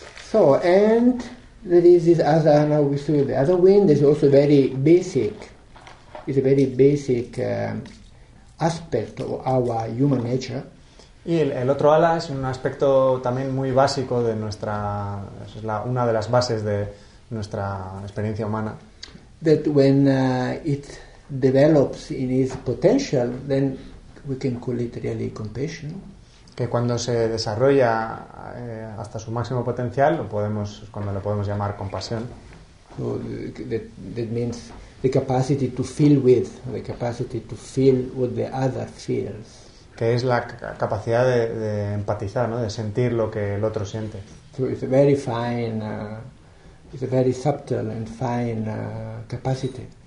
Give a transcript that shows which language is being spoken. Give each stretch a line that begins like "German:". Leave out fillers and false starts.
English: So and there is this other, now we see the other wind is also very basic. It's a very basic aspect of our human nature.
Spanish: Y el otro ala es un aspecto también muy básico de nuestra, es la, una de las bases de nuestra experiencia humana.
English: That when it develops in its potential, then we can call it really compassion.
Spanish: Que cuando se desarrolla hasta su máximo potencial, lo podemos llamar compasión.
English: So that means the capacity to feel with, the capacity to feel what the other feels.
Spanish: Que es la capacidad de empatizar, ¿no? De sentir lo que el otro siente.
English: So it's a very fine, it's a very subtle and fine capacity.